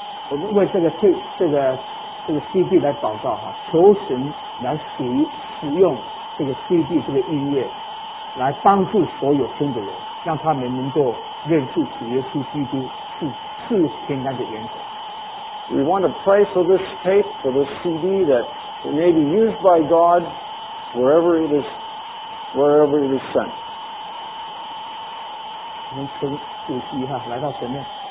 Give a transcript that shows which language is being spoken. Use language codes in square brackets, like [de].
[zh] 我们为这个 CD 来祷告哈，求神来使用这个 CD 这个音乐，来帮助所有听的人，让他们能够认识主耶稣基督是平安的源头。 [en] We want to pray for this tape, for this CD, that it may be used by God wherever it is sent. [zh] 我们请主席哈来到前面。